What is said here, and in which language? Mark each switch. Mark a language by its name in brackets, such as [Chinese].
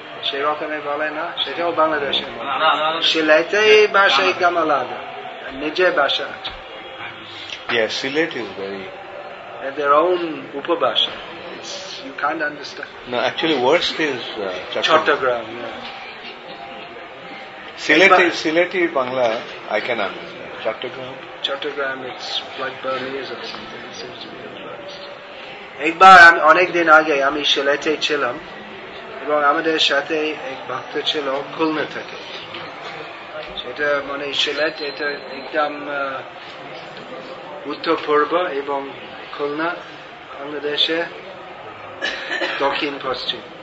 [Bangla] সেই রকমের বলে না, সেটাও বাংলাদেশের মতো সিলেটে ভাষাই কেমন লাগে, নিজের ভাষা আছে. [English] Yes, Silet is very. And their own upabhasha. You can't understand. No, actually, worst is Chattogram. Silet is Bangla, I can understand. Chattogram, it's like Burmese or something. It seems to be the worst. [Bangla] একবার আমি অনেকদিন আগে আমি সিলেটে ছিলাম এবং আমাদের সাথে এক ভক্ত ছিল খুলনা থেকে. সেটা মানে সিলেট এটা একদম উত্তর পূর্ব এবং খুলনা বাংলাদেশে দক্ষিণ পশ্চিম.